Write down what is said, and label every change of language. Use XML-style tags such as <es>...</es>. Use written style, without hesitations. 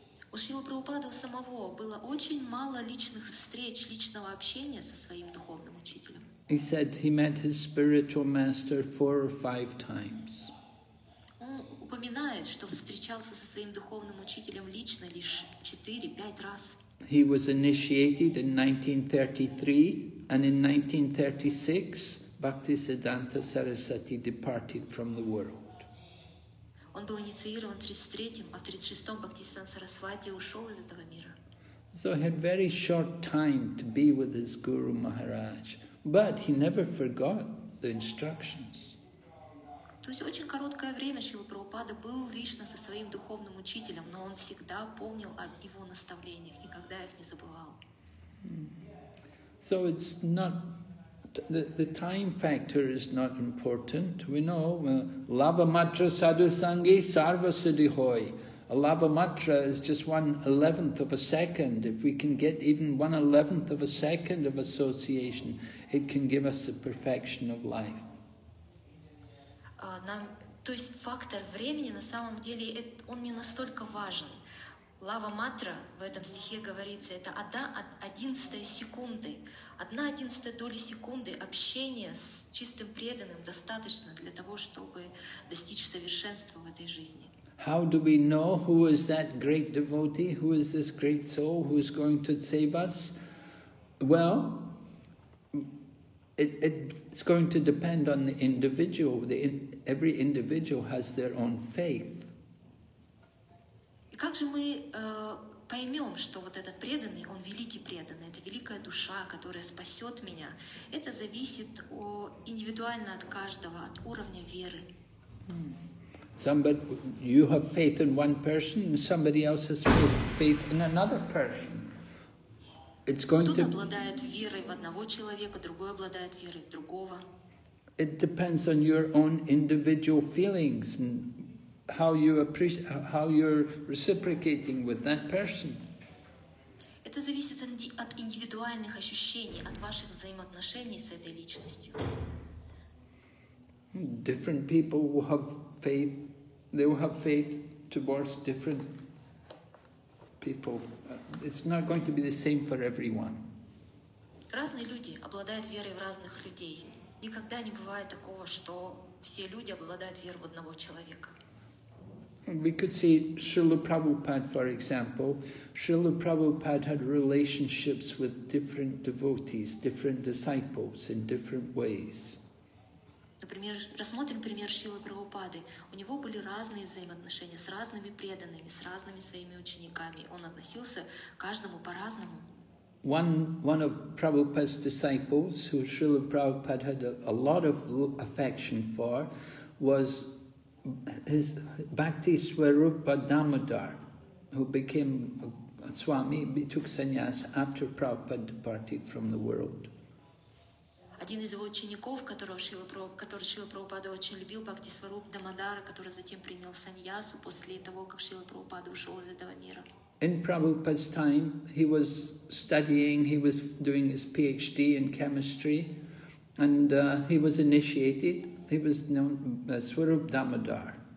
<ru>У Шрилы Прабхупады самого было очень мало личных встреч, личного общения со своим духовным учителем.</ru> <en>He said he met his spiritual master 4 or 5 times.</en> <ru>Он упоминает, что встречался со своим духовным учителем лично лишь 4-5 раз.</ru> <en>He was initiated in 1933 and in 1936 Bhaktisiddhanta Sarasvati departed from the world.</en> <ru>Он был инициирован в 33-м, а в 36-м Бхактисиддханта Сарасвати ушел из этого мира.</ru> <en>So he had very short time to be with his Guru Maharaj, but he never forgot the instructions.</en> <ru>То есть очень короткое время Шрила Прабхупада был лично со своим духовным учителем, но он всегда помнил о его наставлениях, никогда их не забывал.</ru> <en>So it's not the time factor is not important. We know</en> <bn>lava matra sadhu sangi sarva siddhi hoy.</bn> <en>A lava matra is just 1/11th of a second. If we can get even 1/11th of a second of association, it can give us the perfection of life.</en> <ru>Нам, то есть фактор времени на самом деле он не настолько важен. Лава матра в этом стихе говорится, это 1/11 секунды. 1/11 доли секунды общения с чистым преданным достаточно для того, чтобы достичь совершенства в этой жизни.</ru> <en>How do we know who is that great devotee, who is this great soul, who is going to save us? Well, it's going to depend on the individual. Every individual has their own faith.</en> <ru>И как же мы поймем, что вот этот преданный, он великий преданный, это великая душа, которая спасет меня. Это зависит индивидуально от каждого, от уровня веры.</ru> <en>Somebody, you have faith in one person, and somebody else has faith in another person. It's going</en> <ru>Кто-то обладает верой в одного человека, другой обладает верой в другого.</ru> <en>It depends on your own individual feelings and how you're reciprocating with that person.</en> <ru>Это зависит от индивидуальных ощущений, от ваших взаимоотношений с этой личностью.</ru> <en>Different people will have faith. They will have faith towards different people. It's not going to be the same for everyone.</en> <ru>Разные люди обладают верой в разных людей. Никогда не бывает такого, что все люди обладают верой в одного человека.</ru> <en>We could see Srila Prabhupada, for example. Srila Prabhupada had relationships with different devotees, different disciples in different ways.</en> <ru>Например, рассмотрим пример Шрилы Прабхупады. У него были разные взаимоотношения с разными преданными, с разными своими учениками. Он относился к каждому по-разному.</ru> <en>One of Prabhupada's disciples, who Srila Prabhupada had a lot of affection for, was his Bhakti Swarupa Damodar, who became a Swami, took sannyas after Prabhupada departed from the world.</en> <ru>Один из его учеников, которого Шрила Прабхупада очень любил, Бхакти Сваруп Дамодара, который затем принял саньясу после того, как Шрила Прабхупада ушел из этого мира.</ru> <en>In Prabhupada's time, he was studying, he was doing his PhD in chemistry, and he was initiated, he was known as Swarup Damodar.</en>